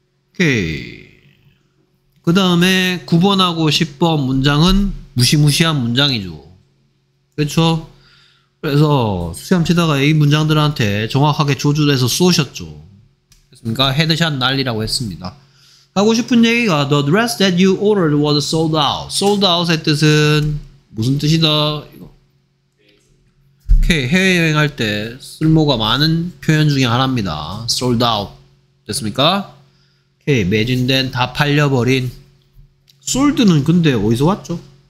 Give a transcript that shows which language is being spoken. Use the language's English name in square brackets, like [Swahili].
[Korean] 오케이. 그 다음에 9번하고 10번 문장은 무시무시한 문장이죠. 그렇죠? 그래서 수염치다가 이 문장들한테 정확하게 조준해서 쏘셨죠. 그렇습니까? 헤드샷 난리라고 했습니다. 하고 싶은 얘기가 [English] The dress that you ordered was sold out. [Korean] Sold out의 뜻은 무슨 뜻이다? 해외여행할 때 쓸모가 많은 표현 중에 하나입니다. Sold out. 됐습니까? 오케이. 매진된, 다 팔려버린. Sold는 근데 어디서 왔죠?